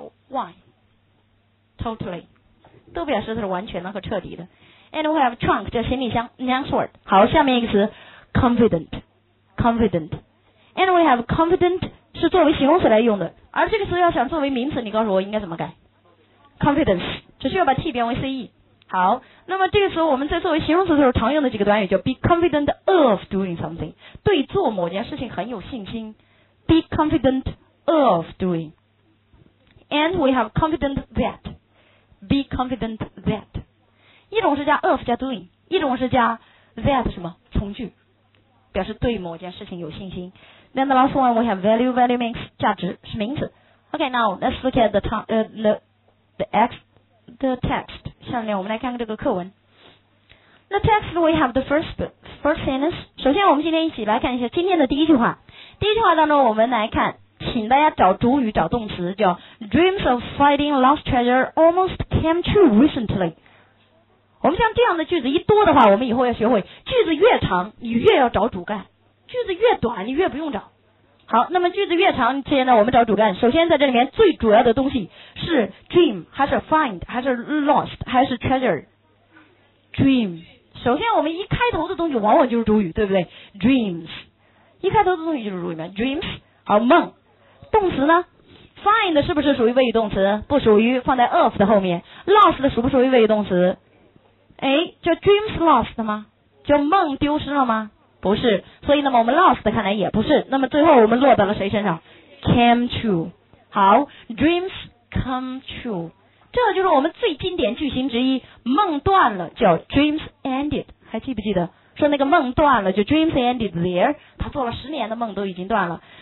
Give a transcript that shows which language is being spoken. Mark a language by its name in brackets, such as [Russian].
[Chinese] T-O-T-A-L-L-Y totally 都表示是完全的和彻底的。 [English] And we have trunk [Chinese] 叫行李箱 [English] next word。 [Chinese] 好，下面一个词 confident， confident。 And we have confident 是作为形容词来用的，而这个词要想作为名词，你告诉我应该怎么改？ confidence 只需要把 T 变为 CE。好，那么这个时候我们在作为形容词的时候常用的几个短语叫 [English] be confident of doing something， [Chinese] 对做某件事情很有信心， [English] be confidentof doing。 And we have confident that， be confident that， [Chinese] 一种是加 of 加 doing， 一种是加 that 什么从句，表示对某件事情有信心。 [English] Then the last one we have value， value means [Chinese] 价值，是名词。 [English] OK， now let's look at the text。 [Chinese] 下面我们来看看这个课文。 [English] The text we have the first sentence。 [Chinese] 首先我们今天一起来看一下今天的第一句话。第一句话当中我们来看，请大家找主语找动词，叫 [English] Dreams of finding lost treasure almost came true recently。 [Chinese] 我们像这样的句子一多的话，我们以后要学会句子越长你越要找主干，句子越短你越不用找。好，那么句子越长，现在我们找主干，首先在这里面最主要的东西是 dream 还是 find 还是 lost 还是 treasure。 dream 首先我们一开头的东西往往就是主语，对不对？ dreams 一开头的东西就是主语， dreams 好，梦。动词呢 ？Find 是不是属于谓语动词？不属于，放在 of 的后面。 Lost 属不属于谓语动词？哎，叫 [English] dreams lost [Chinese] 吗？叫梦丢失了吗？不是。所以那么我们 lost 看来也不是。那么最后我们落到了谁身上 ？ [English] Came true。好 ，dreams come true。 [Chinese] 这就是我们最经典句型之一。梦断了叫 [English] dreams ended。 [Chinese] 还记不记得？说那个梦断了就 [English] dreams ended there。 [Chinese] 他做了十年的梦都已经断了。